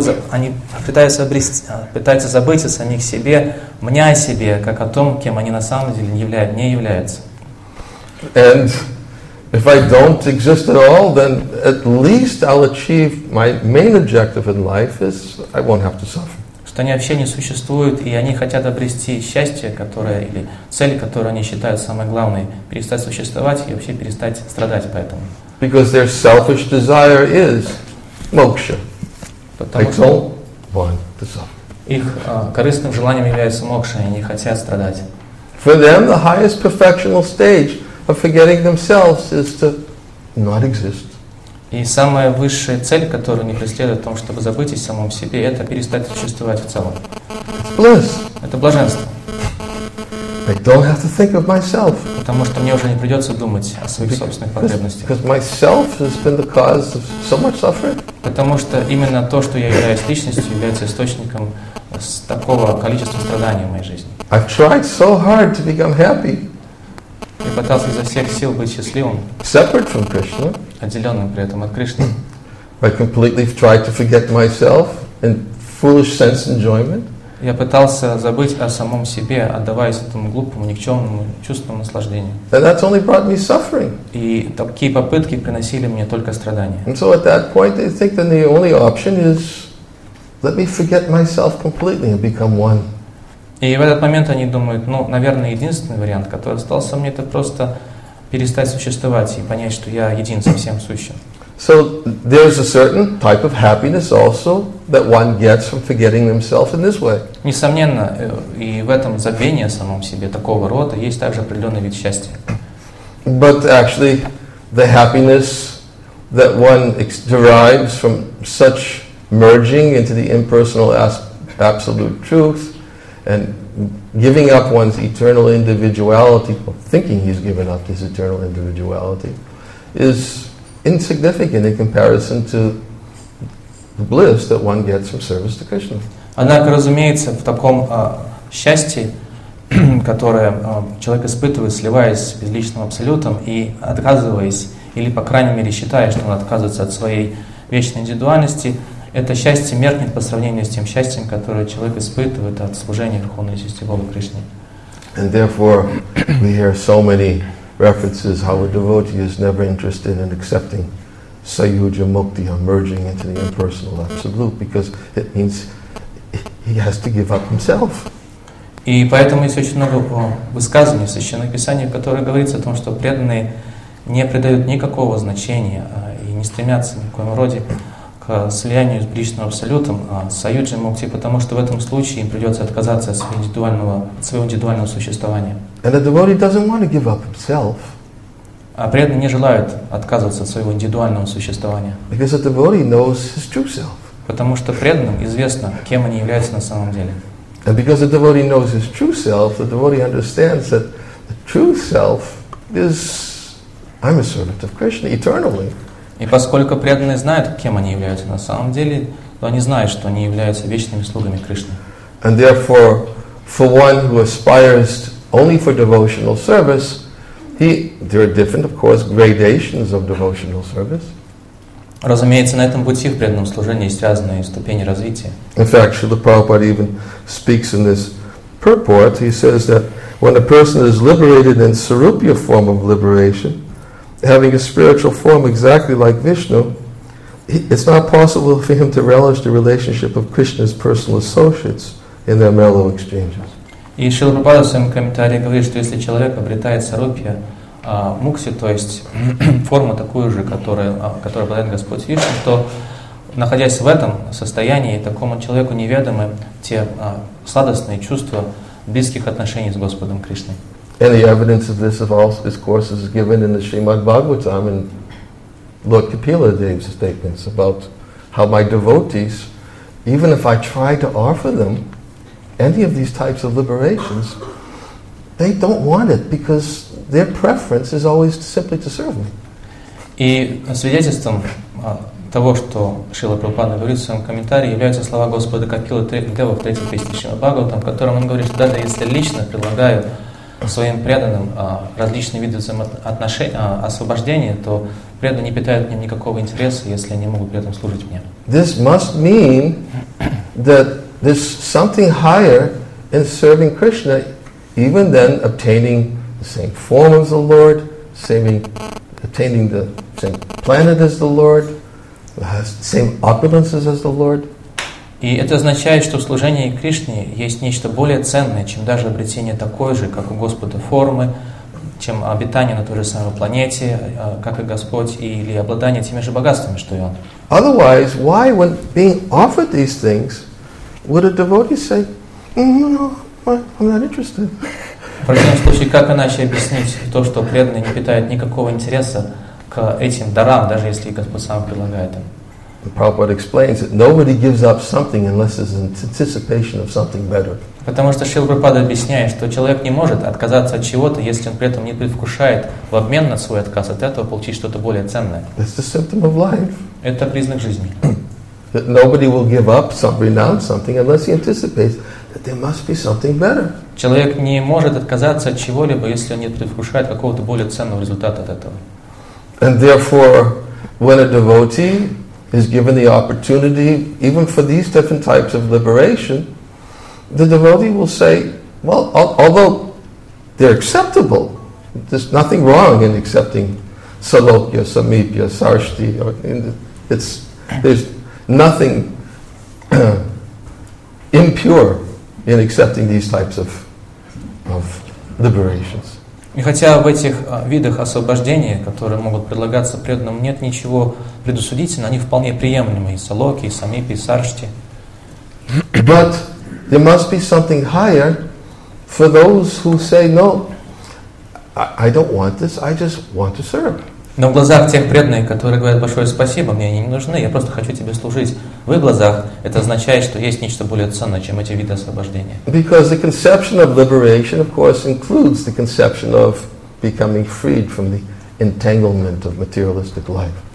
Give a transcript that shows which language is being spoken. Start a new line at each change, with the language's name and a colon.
Russian: они пытаются забыть о самих себе, мня о себе, как о том, кем они на самом деле не являются.
English: And if I don't exist at all, then at least I'll achieve my main objective in life is I won't have to suffer.
Russian: Что они вообще не существуют, и они хотят обрести счастье, которое, или цель, которую они считают самой главной, перестать существовать и вообще перестать страдать по этому.
English: Because their selfish desire is moksha.
Russian: Потому что их корыстным желанием является мокша, и они хотят страдать.
English: For them, the highest perfectional stage of forgetting themselves is to not exist.
Russian: И самая высшая цель, которую они преследуют, в том, чтобы забыть о самом себе, это перестать существовать в целом. Это блаженство.
English: I don't have to think of myself.
Russian: Потому что мне уже не придется думать о своих собственных потребностях.
English: Because myself has been the cause of so much suffering.
Russian: Потому что именно то, что я являюсь личностью, является источником такого количества страданий в моей жизни.
English: I've tried so hard to become happy.
Russian: Я пытался изо всех сил быть счастливым,
English: separate from Krishna,
Russian: отделенным при этом от Кришны.
English: I completely tried to forget myself in foolish sense enjoyment.
Russian: Я пытался забыть о самом себе, отдаваясь этому глупому, никчемному чувству наслаждения.
English: And that's only brought me suffering.
Russian: И такие попытки приносили мне только страдания.
English: And so at that point, I think that the only option is let me forget myself completely and become one.
Russian: И в этот момент они думают, ну, наверное, единственный вариант, который остался мне, это просто перестать существовать и понять, что я един со всем сущим.
English: So there's a certain type of happiness also that one gets from forgetting themselves in this way.
Russian: Несомненно, и в этом забвении о самом себе такого рода есть также определенный вид счастья.
English: But actually, the happiness that one derives from such merging into the impersonal absolute truth and giving up one's eternal individuality, thinking he's given up his eternal individuality, is insignificant in comparison to the bliss that one gets from service to Krishna.
Russian: Однако, разумеется, в таком счастье, которое человек испытывает, сливаясь с безличным абсолютом и отказываясь, или, по крайней мере, считая, что он отказывается от своей вечной индивидуальности, это счастье меркнет по сравнению с тем счастьем, которое человек испытывает от служения Верховной Личности Бога Кришне.
English: And therefore, we hear so many references how a devotee is never interested in accepting sayujya mukti, emerging into the impersonal absolute, because it means he has to give up himself.
Russian: И поэтому есть очень много высказываний в Священном Писании, в которых говорится о том, что преданные не придают никакого значения и не стремятся ни в коем роде к слиянию с Бричным Абсолютом, а с Саюджи Мукти, потому что в этом случае им придется отказаться от своего индивидуального существования.
English: And a devotee doesn't want to give up himself.
Russian: А преданный не желает отказываться от своего индивидуального существования.
English: Because a devotee knows his true self.
Russian: Потому что преданным известно, кем они являются на самом деле.
English: And because a devotee knows his true self, the devotee understands that the true self is I'm a servant of Krishna eternally.
Russian: И поскольку преданные знают, кем они являются на самом деле, то они знают, что они являются вечными слугами Кришны.
English: And therefore, for one who aspires only for devotional service, there are different, of course, gradations of devotional service.
Russian: Разумеется, на этом пути в преданном служении есть разные ступени развития.
English: In fact, Srila Prabhupada even speaks in this purport. He says that when a person is liberated in sarupya form of liberation, having a spiritual form exactly like Vishnu, it's not possible for him to relish the relationship of Krishna's personal associates in their mellow exchanges.
Russian: И Шрила Прабхупада в своем комментарии говорит, что если человек обретает сарупья мукси, то есть форму такую же, которую обладает Господь Вишну, то, находясь в этом состоянии, такому человеку неведомы те сладостные чувства близких отношений с Господом Кришной.
English: And the evidence of this, of all his courses, is given in the Srimad Bhagavatam and Lord Kapila Dev's statements about how my devotees, even if I try to offer them any of these types of liberations, they don't want it because their preference is always simply to serve me.
Russian: И свидетельством того, что Шрила Прабхупада говорит в своем комментарии, являются слова Господа Капилы Дева в третьей песне Шримад Бхагаватам, в котором он говорит, что даже если лично предлагаю своим преданным различные виды взаимоотношений, освобождения, то преданные не питают к ним никакого интереса, если они могут при этом служить мне.
English: This must mean that there's something higher in serving Krishna, even than obtaining the same form as the Lord, obtaining the same planet as the Lord, same opulences as the Lord.
Russian: И это означает, что в служении Кришне есть нечто более ценное, чем даже обретение такой же, как у Господа, формы, чем обитание на той же самой планете, как и Господь, или обладание теми же богатствами, что и Он.
English: Otherwise, why, when being offered these things, would a devotee say, no, I'm not interested?
Russian: В противном случае, как иначе объяснить то, что преданные не питают никакого интереса к этим дарам, даже если Господь сам предлагает им?
English: Prabhupada explains that nobody gives up something unless it's in anticipation of something better.
Russian: Потому что Шрила Прабхупада объясняет, что человек не может отказаться от чего-то, если он при этом не предвкушает в обмен на свой отказ от этого получить что-то более ценное.
English: That's the symptom of life.
Russian: Это признак жизни.
English: That nobody will give up some, renounce something unless he anticipates that there must be something better.
Russian: Человек не может отказаться от чего-либо, если он не предвкушает какого-то более ценного результата от этого.
English: And therefore, when a devotee is given the opportunity, even for these different types of liberation, the devotee will say, well, although they're acceptable, there's nothing wrong in accepting salokya, samipya, sarshti, there's nothing impure in accepting these types of liberations.
Russian: И хотя в этих видах освобождения, которые могут предлагаться преданным, нет ничего предусудительного, они вполне приемлемы, и салоки, и самипи, и саршти.
English: But there must be something higher for those who say, no, I don't want this, I just want to serve.
Russian: Но в глазах тех преданных, которые говорят большое спасибо, мне они не нужны, я просто хочу тебе служить. В их глазах это означает, что есть нечто более ценное, чем эти виды освобождения.
English: Because the conception of liberation, of course, includes the conception of becoming freed from the entanglement of materialistic life.